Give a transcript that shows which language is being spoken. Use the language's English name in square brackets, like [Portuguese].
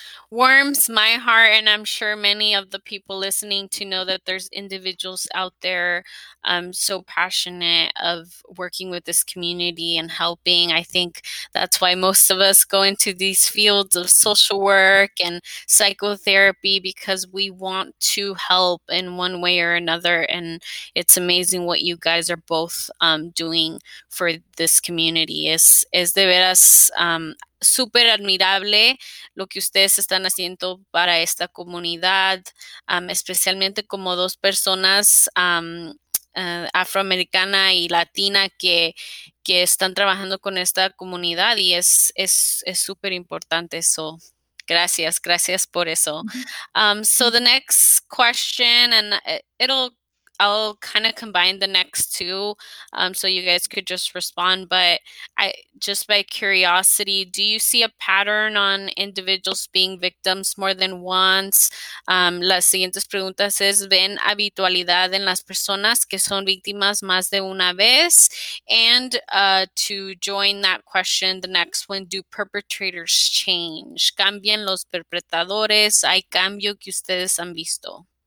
[English] warms my heart, and I'm sure many of the people listening, to know that there's individuals out there so passionate of working with this community and helping. I think that's why most of us go into these fields of social work and psychotherapy, because we want to help in one way or another. And it's amazing what you guys are both doing for this community. [Spanish] Es de veras super admirable lo que ustedes están haciendo para esta comunidad, especialmente como dos personas afroamericana y latina que están trabajando con esta comunidad, y es super importante. So gracias por eso. [English] So the next question, and I'll kind of combine the next two, so you guys could just respond. But I just, by curiosity, do you see a pattern on individuals being victims more than once? [Spanish] Las siguientes preguntas es, ¿ven habitualidad en las personas que son víctimas más de una vez? [English] And to join that question, the next one, ¿do perpetrators change? [Spanish] ¿Cambian los perpetradores? ¿Hay cambio que ustedes han visto?